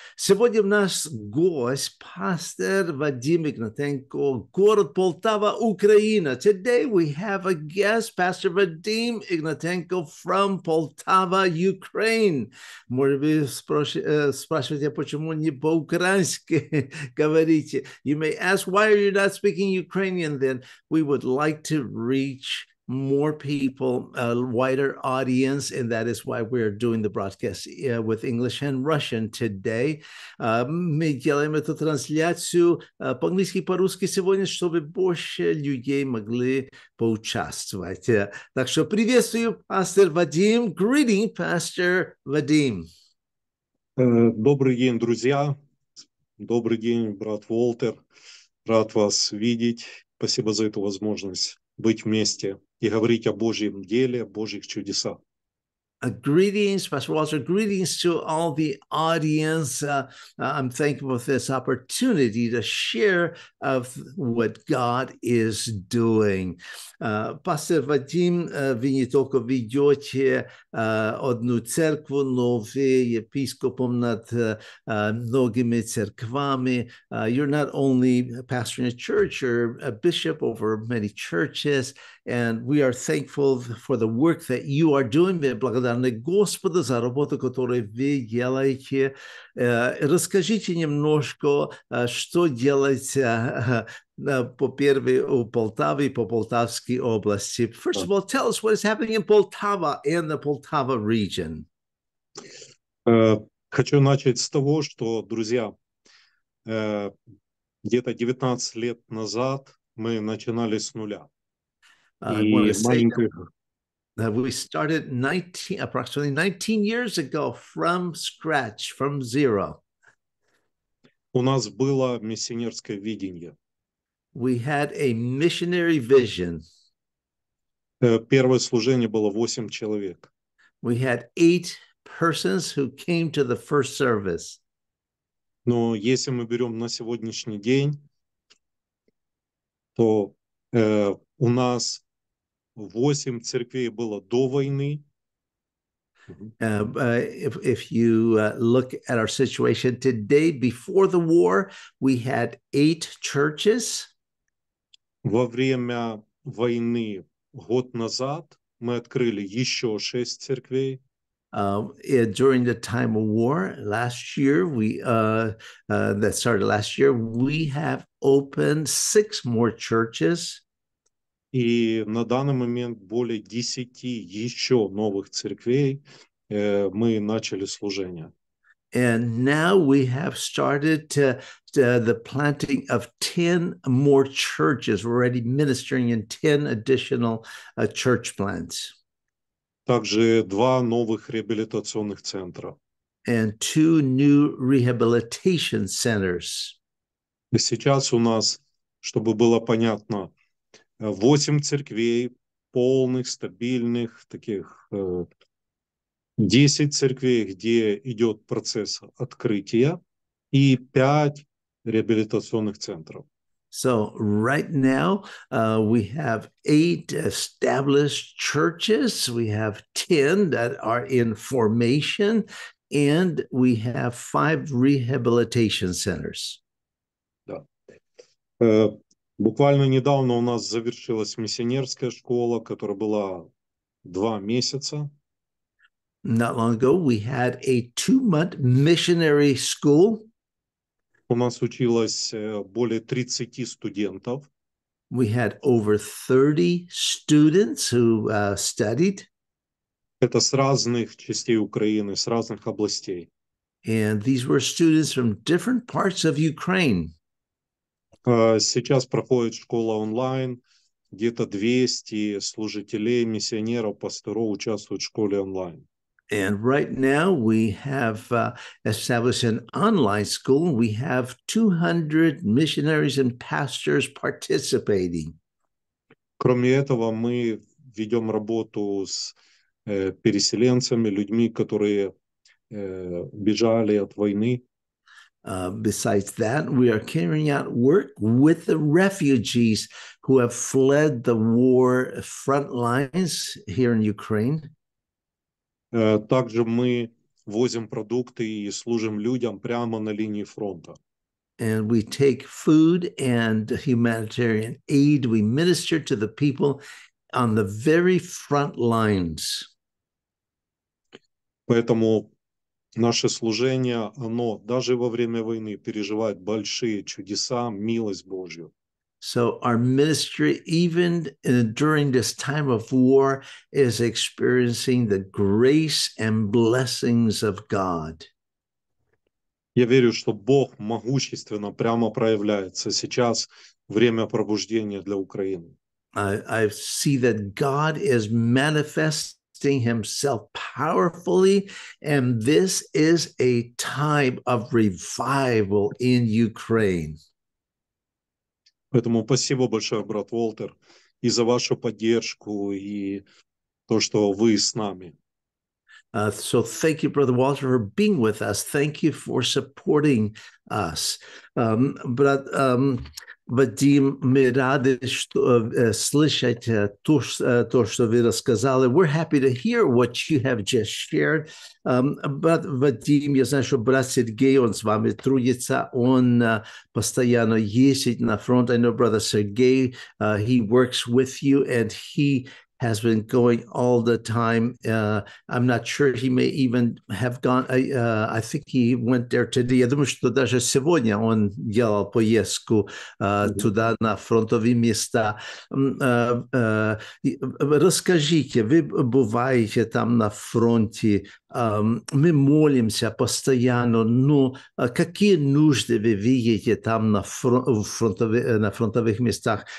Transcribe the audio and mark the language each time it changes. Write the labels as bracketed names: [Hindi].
[Russian] Сегодня у нас гость, пастор Вадим Игнатенко, город Полтава, Украина. [English] Today we have a guest, Pastor Vadim Ignatenko from Poltava, Ukraine. [Russian] Может, вы спрашиваете, почему не по-украински говорите? [English] You may ask, why are you not speaking Ukrainian then? We would like to reach more people, a wider audience, and that is why we're doing the broadcast with English and Russian today. [Russian] Мы делаем эту трансляцию по-английски и по-русски сегодня, чтобы больше людей могли поучаствовать. Так что приветствую, пастор Вадим. [English] Greeting, Pastor Vadim. [Russian] Добрый день, друзья. Добрый день, брат Волтер. Рад вас видеть. Спасибо за эту возможность быть вместе и говорить о Божьем деле, о Божьих чудесах. [English] Greetings, Pastor Walter. Greetings to all the audience. I'm thankful for this opportunity to share of what God is doing. [Russian] Pastor Vadim, вы не только ведете одну церковь, но вы епископом над многими церквами. [English] You're not only pastoring a church, you're a bishop over many churches, and we are thankful for the work that you are doing. [Russian] Господа за работу, которую вы делаете. Расскажите немножко, что делается по-первых у Полтавы, по Полтавской области. [English] First of all, tell us what is happening in Poltava and the Poltava region. [Russian] Хочу начать с того, что, друзья, где-то 19 лет назад мы начинали с нуля. [English] We started approximately 19 years ago from scratch, from zero. [Russian] У нас было миссионерское видение. [English] We had a missionary vision. [Russian] Первое служение было 8 человек. [English] We had 8 persons who came to the first service. [Russian] Но если мы берем на сегодняшний день, то у нас 8 церквей было до войны. [English] If you look at our situation today, before the war, we had 8 churches. [Russian] Во время войны год назад мы открыли еще 6 церквей. [English] During the time of war last year, we have opened 6 more churches. [Russian] И на данный момент более 10 еще новых церквей мы начали служение. [English] And now we have started the planting of 10 more churches. We're already ministering in 10 additional church plants. [Russian] Также 2 новых реабилитационных центра. [English] And 2 new rehabilitation centers. [Russian] И сейчас у нас, чтобы было понятно, 8 церквей, полных, стабильных, таких 10 церквей, где идет процесс открытия, и 5 реабилитационных центров. [English] So right now we have 8 established churches, we have 10 that are in formation, and we have 5 rehabilitation centers. [Russian] Да. Буквально недавно у нас завершилась миссионерская школа, которая была 2 месяца. [English] Not long ago we had a 2-month missionary school. [Russian] У нас училось более 30 студентов. [English] We had over 30 students who studied. [Russian] Это с разных частей Украины, с разных областей. [English] And these were students from different parts of Ukraine. [Russian] Сейчас проходит школа онлайн. Где-то 200 служителей, миссионеров, пасторов участвуют в школе онлайн. [English] And right now we have established an online school. We have 200 missionaries and pastors participating. [Russian] Кроме этого, мы ведем работу с переселенцами, людьми, которые бежали от войны. [English] Besides that, we are carrying out work with the refugees who have fled the war front lines here in Ukraine. [Russian] Также мы возим продукты и служим людям прямо на линии фронта. [English] And we take food and humanitarian aid. We minister to the people on the very front lines. [Russian] Поэтому наше служение, оно даже во время войны переживает большие чудеса, милость Божью. [English] So our ministry, even during this time of war, is experiencing the grace and blessings of God. [Russian] Я верю, что Бог могущественно прямо проявляется сейчас, время пробуждения для Украины. [English] I see that God is manifesting himself powerfully, and this is a time of revival in Ukraine. [Russian] Поэтому спасибо большое, брат Уолтер, и за вашу поддержку, и то, что вы с нами. [English] So thank you, brother Walter, for being with us. Thank you for supporting us. [Russian] Брат Вадим, мы рады слышать то, что вы рассказали. [English] We're happy to hear what you have just shared. [Russian] Брат Вадим, я знаю, что брат Сергей, он с вами трудится, он постоянно ездит на фронт. [English] I know brother Сергей, he works with you, and he has been going all the time. I'm not sure he may even have gone. I think he went there today. [Russian] Я думаю, что даже сегодня он делал поездку туда, на фронтовые места. Расскажите, вы бываете там на фронте. Мы молимся постоянно, но какие нужды вы видите там на фронтовых местах?